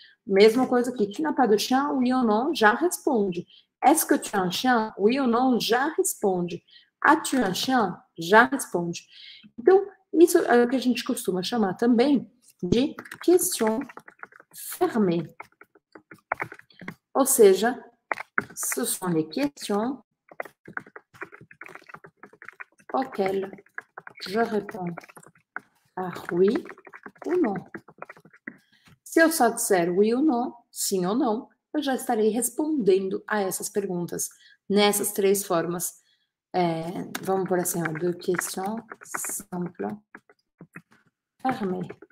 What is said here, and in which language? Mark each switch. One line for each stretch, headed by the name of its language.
Portuguese: Mesma coisa aqui.
French: Tu n'as pas de chien? Oui ou non?
Portuguese: Já responde.
French: Est-ce que tu as un chien? Oui ou non?
Portuguese: Já responde.
French: As-tu un chien? Já responde.
Portuguese: Então, isso é o que a gente costuma chamar também de
French: question fermée.
Portuguese: Ou seja,
French: ce sont les questions auxquelles je réponds par oui ou non.
Portuguese: Se eu só disser
French: oui ou non,
Portuguese: sim ou não, eu já estarei respondendo a essas perguntas nessas três formas. É, vamos por assim,
French: deux questions simples fermées.